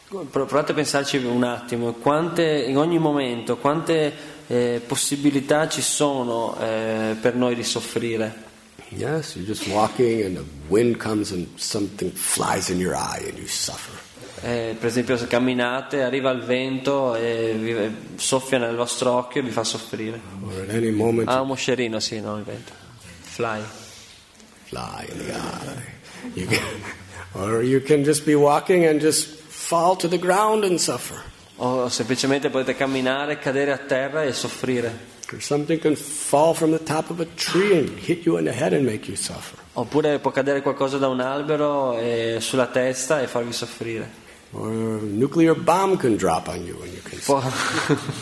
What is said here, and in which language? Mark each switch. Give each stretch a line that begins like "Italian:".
Italian: Provate a pensarci un attimo. Quante, in ogni momento, quante possibilità ci sono per noi di soffrire?
English: Yes, you're just walking and the wind comes and something flies in your eye and you suffer.
Italian: Per esempio, se camminate, arriva il vento e vi soffia nel vostro occhio e vi fa soffrire.
English: Or at any moment,
Italian: ah, un moscerino, sì, no, il vento. Fly.
English: Fly in the eye. You can, or you can just be walking and just fall to the ground and suffer.
Italian: O semplicemente potete camminare, cadere a terra e soffrire.
English: Or something can fall from the top of a tree and hit you in the head and make you suffer.
Italian: Oppure può cadere qualcosa da un albero e sulla testa e farvi soffrire.
English: Or a nuclear bomb can drop on you and you can suffer.